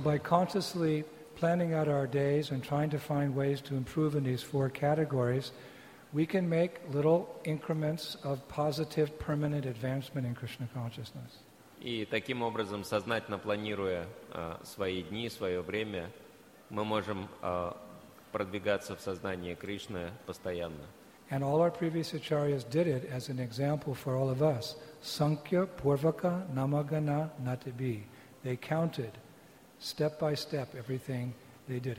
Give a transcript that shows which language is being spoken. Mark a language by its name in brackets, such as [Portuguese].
[English] So by consciously planning out our days and trying to find ways to improve in these four categories, we can make little increments of positive permanent advancement in Krishna consciousness. [Russian] И таким образом, сознательно планируя свои дни, свое время, мы можем продвигаться в сознании Кришны постоянно. [English] And all our previous acharyas did it as an example for all of us. [Sanskrit] Sankhya purvaka namagana natibi. [English] They counted step by step everything they did.